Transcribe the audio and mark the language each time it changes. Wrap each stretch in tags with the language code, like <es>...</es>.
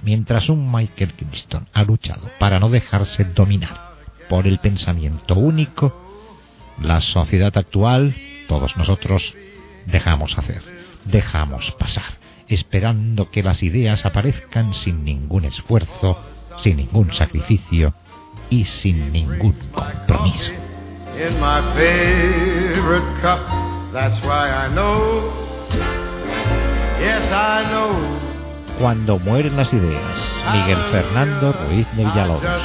<es>Mientras un Michael Crichton ha luchado para no dejarse dominar por el pensamiento único, la sociedad actual, todos nosotros, dejamos hacer, dejamos pasar, esperando que las ideas aparezcan sin ningún esfuerzo, sin ningún sacrificio y sin ningún compromiso.</es> <en>In my favorite cup, that's why I know, yes, I know.</en> <es>Cuando mueren las ideas, Miguel Fernando Ruiz de Villalobos.</es>